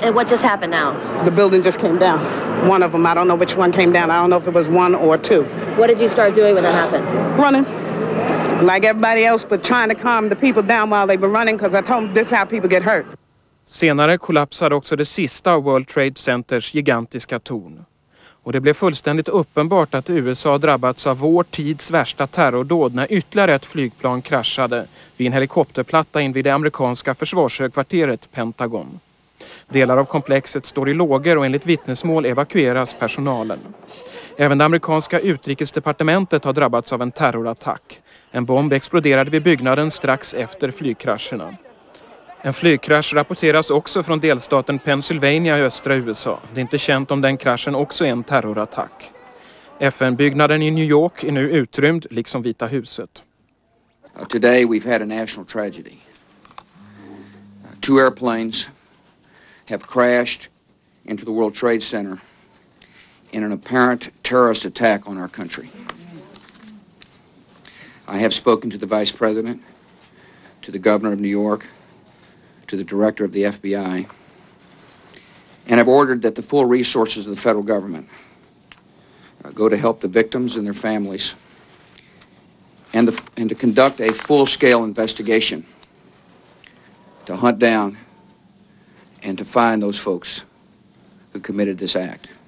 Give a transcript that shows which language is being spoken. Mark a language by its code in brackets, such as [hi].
[en] And what just happened now? The building just came down. One of them. I don't know which one came down. I don't know if it was one or two. What did you start doing when that happened? Running. Like everybody else, but trying to calm the people down while they were running, because I told them this is how people get hurt. [sv] Senare kollapsade också det sista av World Trade Centers gigantiska torn. Och det blev fullständigt uppenbart att USA drabbats av vår tids värsta terrordåd när ytterligare ett flygplan kraschade vid en helikopterplatta in vid det amerikanska försvarshögkvarteret Pentagon. Delar av komplexet står i lågor och enligt vittnesmål evakueras personalen. Även det amerikanska utrikesdepartementet har drabbats av en terrorattack. En bomb exploderade vid byggnaden strax efter flygkrascherna. En flygkrasch rapporteras också från delstaten Pennsylvania i östra USA. Det är inte känt om den kraschen också är en terrorattack. FN-byggnaden i New York är nu utrymd, liksom Vita huset. [en] Today we've had a national tragedy. Two airplanes have crashed into the World Trade Center in an apparent terrorist attack on our country. I have spoken to the vice president, to the governor of New York, to the director of the FBI, and have ordered that the full resources of the federal government go to help the victims and their families, and to conduct a full-scale investigation to hunt down and to find those folks who committed this act.